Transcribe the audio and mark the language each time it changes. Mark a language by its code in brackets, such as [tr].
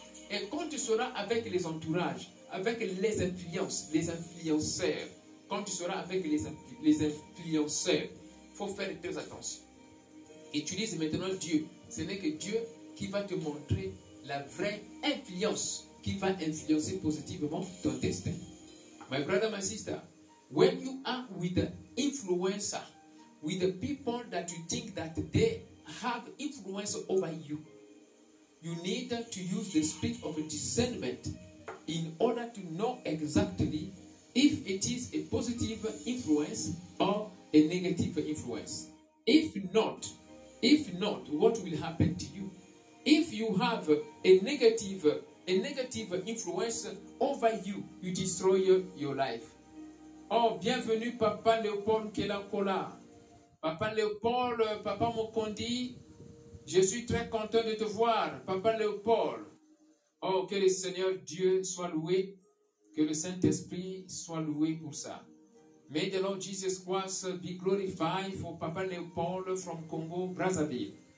[fr] Et quand tu seras avec les entourages, avec les influences, les influenceurs, quand tu seras avec les influenceurs, il faut faire très attention. Utilise maintenant Dieu. Ce n'est que Dieu qui va te montrer la vraie influence qui va influencer positivement ton destin. [en] My brother, my sister, When you are with an influencer, with the people that you think that they have influence over you, you need to use the spirit of discernment in order to know exactly if it is a positive influence or a negative influence. If not, what will happen to you? If you have a negative influence over you, you destroy your life. [fr] Oh, bienvenue, Papa Léopold Kelakola. Papa Léopold, Papa Mokondi, je suis très content de te voir, Papa Léopold. Oh, que le Seigneur Dieu soit loué, que le Saint-Esprit soit loué pour ça. [en] May the Lord Jesus Christ be glorified for Papa Léopold from Congo, Brazzaville.